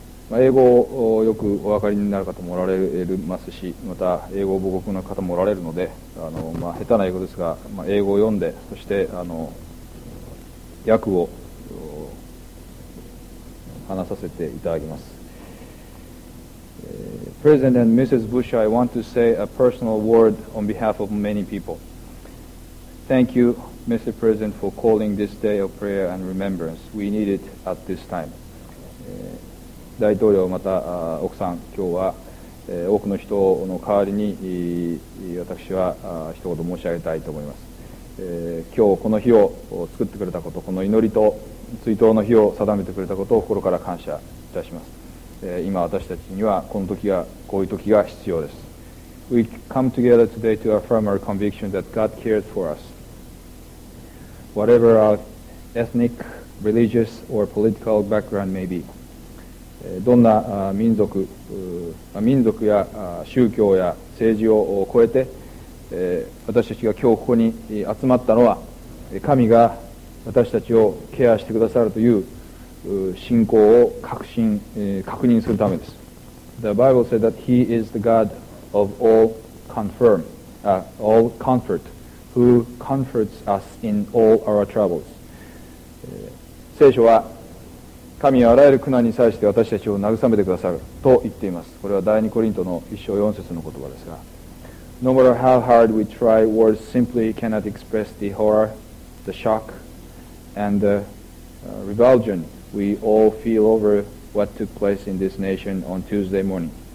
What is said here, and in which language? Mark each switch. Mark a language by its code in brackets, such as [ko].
[ja] まあ、英語をよくお分かりになる方もおられますし、また英語を母国の方もおられるので、まあ、下手な英語ですが、まあ、英語を読んで、そして訳を話させていただきます。 [en] President and Mrs. Bush, I want to say a personal word on behalf of many people. Thank you, Mr. President, for calling this day of prayer and remembrance. We need it at this time. [ja] 大統領、また奥さん、今日は多くの人の代わりに私は一言申し上げたいと思います。今日この日を作ってくれたこと、この祈りと追悼の日を定めてくれたことを心から感謝いたします。今私たちにはこの時が、こういう時が必要です。 [en] We come together today to affirm our conviction that God cares for us. Whatever our ethnic, religious or political background may be, [ja] どんな民族、民族や宗教や政治を超えて、私たちが今日ここに集まったのは、神が私たちをケアしてくださるという信仰を確認するためです。 [en] The Bible says that He is the God of all confirm, all comfort, who comforts us in all our troubles. [ja] 聖書は神はあらゆる苦難に際して私たちを慰めてくださると言っています。これは第二コリントの一章四節の言葉ですが、 [en] No matter how hard we try, words simply cannot express the horror, the shock, and the revulsion we all feel over what took place in this nation on Tuesday morning.